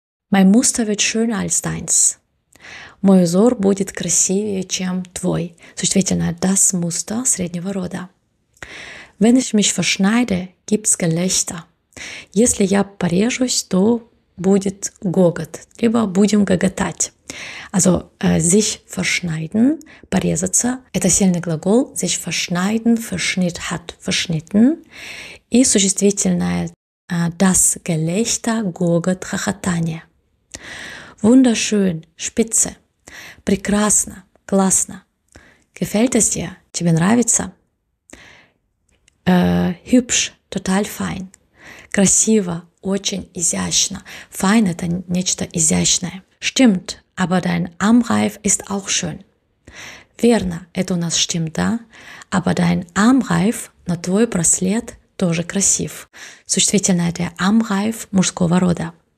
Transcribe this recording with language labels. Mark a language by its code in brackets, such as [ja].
[de] Mein Muster wird schöner als deins. [ru] Мой узор будет красивее, чем твой. Существительное [de] das Muster [ru] среднего рода. [de] Wenn ich mich verschneide, gibt's Gelächter. [ru] Если я порежусь, то будет гогот, либо будем гоготать. [de] Also, sich verschneiden, [ru] порезаться, это сильный глагол, [de] sich verschneiden, verschnitt, hat, verschnitten. [ru] И существительное [de] das Gelächter, [ru] гогот, хохотание. [de] Wunderschön, spitze. [ru] Прекрасно, классно. [de] Gefällt es dir? [ru] Тебе нравится? [de] Hübsch, total fein. [ru] Красиво, очень изящно. Fein – это нечто изящное. [de] Stimmt, aber dein Armreif ist auch schön. [ru] Верно, это у нас [de] stimmt, [ru] да? [de] Aber dein Armreif, [ru] но твой браслет, тоже красив. Существительное [de] der Armreif [ru] мужского рода.